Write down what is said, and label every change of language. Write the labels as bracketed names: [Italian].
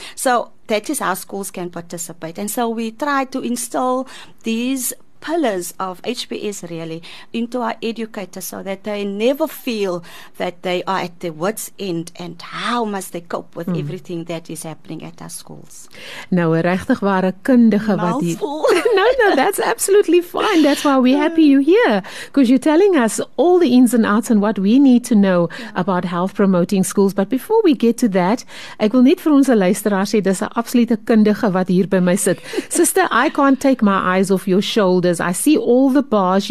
[English] So that is how schools can participate. And so we try to install these pillars of HBS really into our educators so that they never feel that they are at their wits' end and how must they cope with everything that is happening at our schools. [Afrikaans] Nou, regtig waar 'n kundige wat die... [English] No, that's absolutely fine. That's why we're happy you're here, because you're telling us all the ins and outs and what we need to know about health promoting schools. But before we get to that, [Afrikaans] ek wil net vir ons luisteraars sê, dis 'n absolute kundige wat hier by my sit. [English] Sister, I can't take my eyes off your shoulder. I see all the bars.